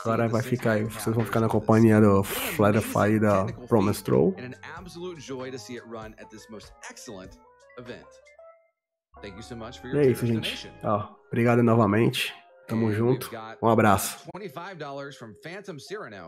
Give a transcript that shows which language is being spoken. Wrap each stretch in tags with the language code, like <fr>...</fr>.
<pt>agora vai ficar aí, vocês vão ficar na companhia do Flight of Fire da Promise Troll.</pt> <en>And an absolute joy to see it run at this most excellent event. Thank you so much for your</en> <pt>isso, gente. Ó, obrigado novamente. Tamo junto. Um abraço. $25 from Phantom Cyrano.</pt>